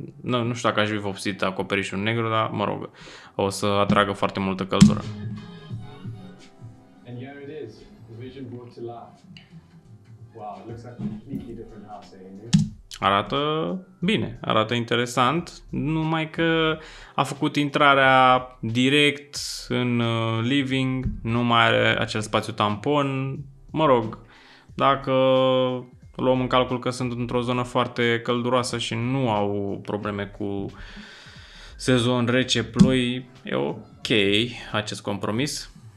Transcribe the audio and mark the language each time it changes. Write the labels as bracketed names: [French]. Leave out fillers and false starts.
[Romanian] Nu știu dacă aș fi vopsit acoperișul negru, dar mă rog, o să atragă foarte multă căldură. [English] And here it is, the vision brought to life. Wow, it looks like a completely different house, eh, Andrew? [Romanian] Arată bine, arată interesant, numai că a făcut intrarea direct în living, nu mai are acel spațiu tampon. Mă rog, dacă luăm în calcul că sunt într-o zonă foarte călduroasă și nu au probleme cu sezon rece, ploi, e ok acest compromis.